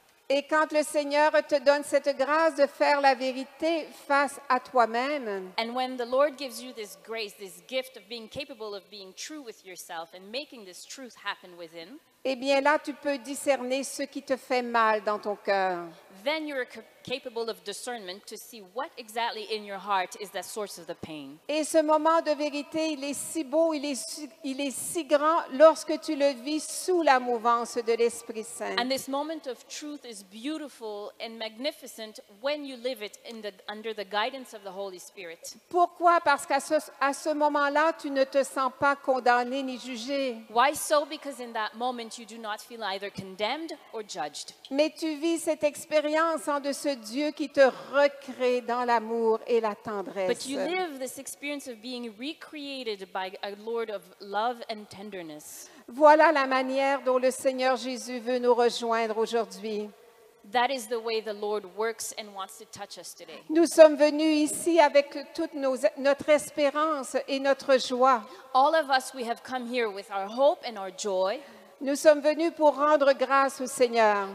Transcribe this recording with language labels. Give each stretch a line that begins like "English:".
French: Et quand le Seigneur te donne cette grâce de faire la vérité face à toi-même,
English: and when the Lord gives you this grace, this gift of being capable of being true with yourself and making this truth happen within,
French: eh bien là, tu peux discerner ce qui te fait mal dans ton cœur.
English: Then you're capable of discernment to see what exactly in your heart is the source of the pain.
French: Et ce moment de vérité, il est si beau, il est si grand lorsque tu le vis sous la mouvance de l'Esprit Saint.
English: And this moment of truth is beautiful and magnificent when you live it under the guidance of the Holy Spirit.
French: Pourquoi? Parce qu'à ce moment-là, tu ne te sens pas condamné ni jugé.
English: Why so? Because in that moment you do not feel either condemned or judged.
French: Mais tu vis cette expérience en dessous ce Dieu qui te recrée dans l'amour et la tendresse.
English: But you live this experience of being recreated by a Lord of love and tenderness.
French: Voilà la manière dont le Seigneur Jésus veut nous rejoindre aujourd'hui.
English: That is the way the Lord works and wants to touch us today.
French: Nous sommes venus ici avec toute notre espérance et notre joie.
English: All of us, we have come here with our hope and our joy.
French: Nous sommes venus pour rendre grâce au Seigneur.